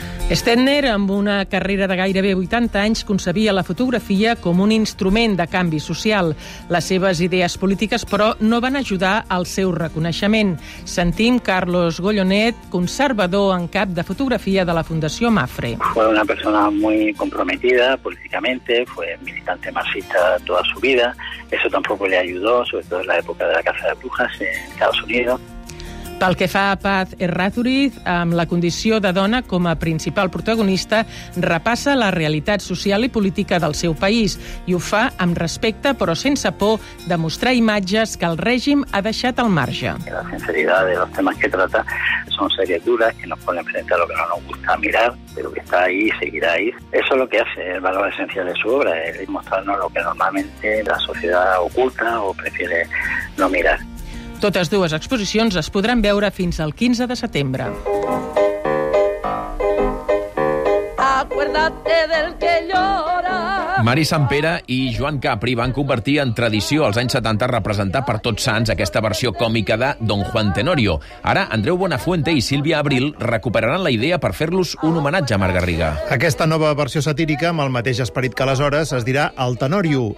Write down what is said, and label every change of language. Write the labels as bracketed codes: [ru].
[ca] Stettner, amb una carrera de gairebé 80 anys, concebia la fotografia com un instrument de canvi social. Les seves idees polítiques, però, no van ajudar al seu reconeixement. Sentim Carlos Gollonet, conservador en cap de fotografia de la Fundació MAPFRE. [es] Fue una persona muy comprometida políticamente, fue militante marxista toda su vida. Eso tampoco le ayudó, sobre todo en la época de la Casa de Brujas en Estados Unidos. [ca] Pel que fa a Paz Errázuriz, amb la condició de dona com a principal protagonista, repassa la realitat social i política del seu país i ho fa amb respecte però sense por de mostrar imatges que el règim ha deixat al marge. [es] La sinceritat de los temas que trata son series duras que nos ponen frente a lo que no nos gusta mirar, pero que está ahí y seguirá ahí. Eso es lo que hace el valor esencial de su obra, es mostrarnos lo que normalmente la sociedad oculta o prefiere no mirar. [ca] Totes dues exposicions es podran veure fins al 15 de setembre. [es] Acuérdate del que llora. [ca] Mari Sampere i Joan Capri van convertir en tradició als anys 70 representar per Tots Sants aquesta versió còmica de Don Juan Tenorio. Ara Andreu Buenafuente i Sílvia Abril recuperaran la idea per fer-los un homenatge a Marc Garriga. Aquesta nova versió satírica, amb el mateix esperit que aleshores, es dirà El Tenorio.